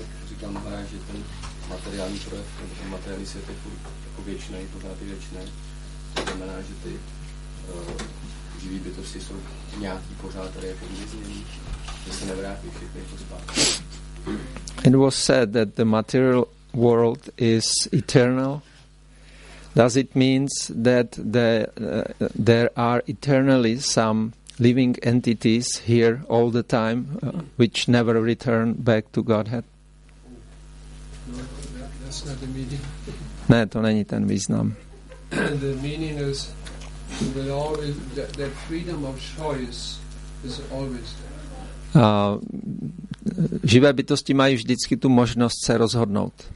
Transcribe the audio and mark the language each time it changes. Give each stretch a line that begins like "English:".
Czech: Říkám, že ten materiální projekt, ten materiální svět je jako věčnej, pořád i věčnej. To znamená, že ty živý bytosti jsou nějaký pořád tady jako uvězněný, že se nevrátí všechny jako zpátky.
English: It was said that the material world is eternal. Does it mean that there are eternally some living entities here all the time, which never return back to Godhead? That's not the meaning.
Czech: Ne, to není ten význam.
English: The meaning is that always that freedom of choice is always there.
Czech: Živé bytosti mají vždycky tu možnost se rozhodnout.